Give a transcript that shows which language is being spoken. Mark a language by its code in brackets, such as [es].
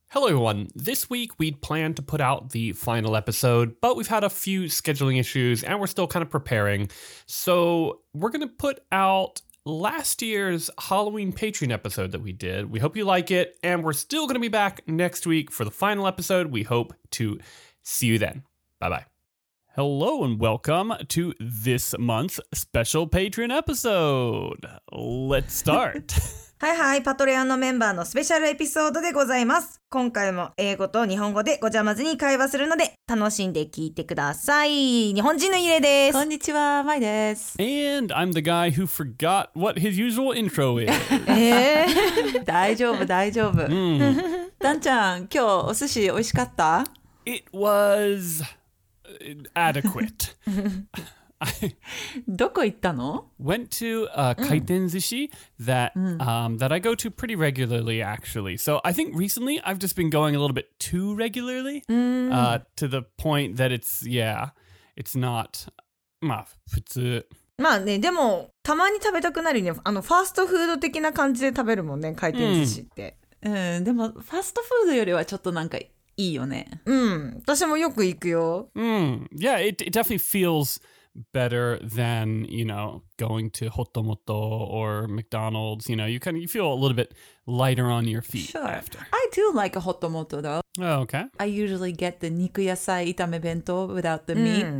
[en] Hello everyone, this week we'd planned to put out the final episode, but we've had a few scheduling issues and we're still kind of preparing, so we're going to put out last year's Halloween Patreon episode that we did. We hope you like it, and we're still going to be back next week for the final episode. We hope to see you then. Bye-bye. Hello and welcome to this month's special Patreon episode. Let's start. [ja] はいはい、パトレオンのメンバーのスペシャルエピソードでございます。今回も英語と日本語でごちゃ混ぜに会話するので楽しんで聞いてください。日本人のゆれです。こんにちは、まいです。 [en] And I'm the guy who forgot what his usual intro is. [ja] 大丈夫大丈夫。ダンちゃん、今日お寿司美味しかった？ [en] It was adequate. [ja] どこ行ったの? [en] Went to a kaiten sushi that I go to pretty regularly, actually. So I think recently I've just been going a little bit too regularly to the point that it's not [ja] まあ普通。まあね、でもたまに食べたくなるね。あのファーストフード的な感じで食べるもんね、回転寿司って。でもファーストフードよりはちょっとなんかいいよね。うん、私もよく行くよ。 [en] Yeah, it definitely feels better than, you know, going to Hotomoto or McDonald's. You know, you feel a little bit lighter on your feet. Sure. After. I do like a Hotomoto though. Oh, okay. I usually get the niku yasai itame bento without the meat.